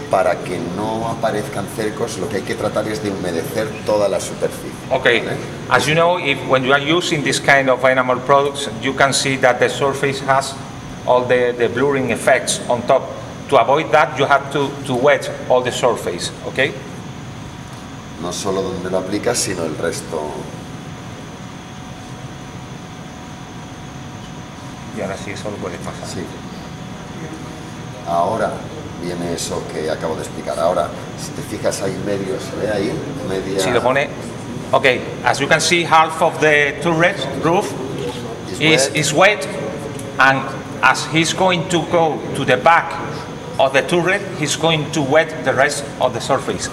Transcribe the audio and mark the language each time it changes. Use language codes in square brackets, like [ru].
[es] Para que no aparezcan cercos, lo que hay que tratar es de humedecer toda la superficie. [en] Okay. [es] ¿Vale? [en] As you know, if when you are using this kind of enamel products, you can see that the surface has all the blurring effects on top. To avoid that, you have to wet all the surface. Okay. [es] No solo donde lo aplicas, sino el resto. Y ahora sí, eso lo puede pasar. Sí. Ahora viene eso que acabo de explicar. Ahora, si te fijas, hay medio, ¿se ve ahí? Media. Sí, lo pone. [en] Ok, as you can see, half of the turret roof is wet. And as he's going to go to the back of the turret, he's going to wet the rest of the surface.